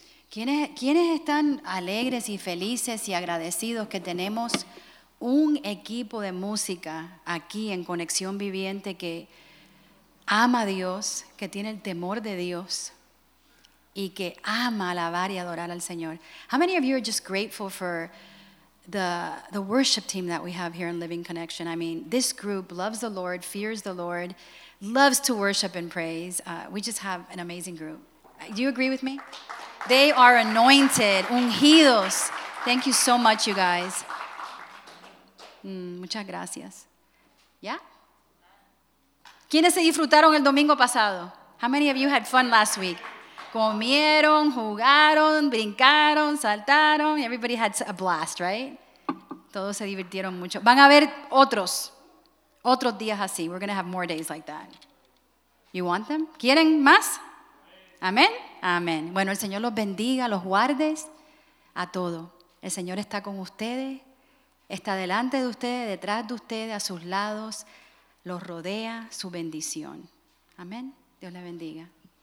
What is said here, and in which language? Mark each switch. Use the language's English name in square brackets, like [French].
[Spanish] ¿Quiénes están alegres y felices y agradecidos que tenemos un equipo de música aquí en Conexión Viviente que ama a Dios, que tiene el temor de Dios y que ama alabar y adorar al Señor? [English] How many of you are just grateful for the worship team that we have here in Living Connection? I mean, this group loves the Lord, fears the Lord, loves to worship and praise. We just have an amazing group. Do you agree with me? They are anointed, ungidos. Thank you so much, you guys. [Spanish] Muchas gracias. ¿Ya? ¿Quiénes se disfrutaron el domingo pasado? [English] How many of you had fun last week? [Spanish] Comieron, jugaron, brincaron, saltaron. [English] Everybody had a blast, right? [Spanish] Todos se divirtieron mucho. Van a haber otros días así. [English] We're going to have more days like that. You want them? [Spanish] ¿Quieren más? Amén. Amén. Bueno, el Señor los bendiga, los guarde a todos. El Señor está con ustedes. Está delante de ustedes, detrás de ustedes, a sus lados, los rodea su bendición. Amén. Dios le bendiga.